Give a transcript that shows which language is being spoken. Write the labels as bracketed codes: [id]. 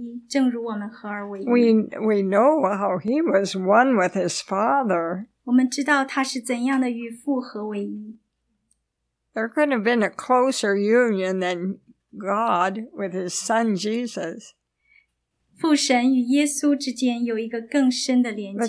[zh] 主耶稣在约翰福音十七章里祷告说，使他们合而为一，正如我们合而为一。We [en] know how he was one with his Father. [zh] 我们知道他是怎样的与父合为一。There [en] could have been a closer union than God with his Son Jesus. [zh] 父神与耶稣之间有一个更深的连接。But